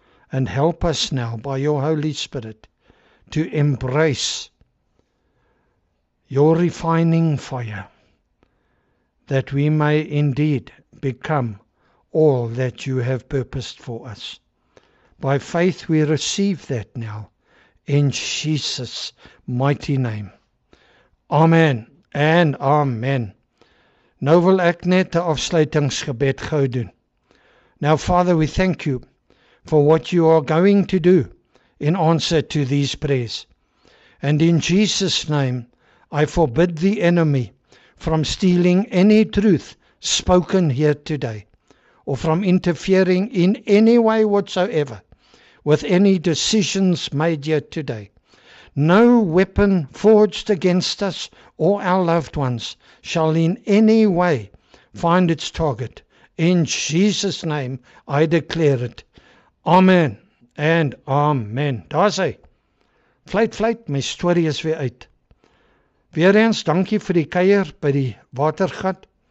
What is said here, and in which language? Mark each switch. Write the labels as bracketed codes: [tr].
[en] And help us now by your Holy Spirit to embrace your refining fire, that we may indeed become all that you have purposed for us. By faith we receive that now in Jesus' mighty name. Amen and amen. [af] Nou wil ek net 'n afsluitingsgebed gou doen. [en] Now, Father, we thank you for what you are going to do in answer to these prayers. And in Jesus' name, I forbid the enemy from stealing any truth spoken here today, or from interfering in any way whatsoever with any decisions made here today. No weapon forged against us or our loved ones shall in any way find its target. In Jesus' name, I declare it. Amen and amen. [af] Daar is hy. Fluit, fluit, my story is weer uit. Weer eens, dankie vir die kuier by die watergat.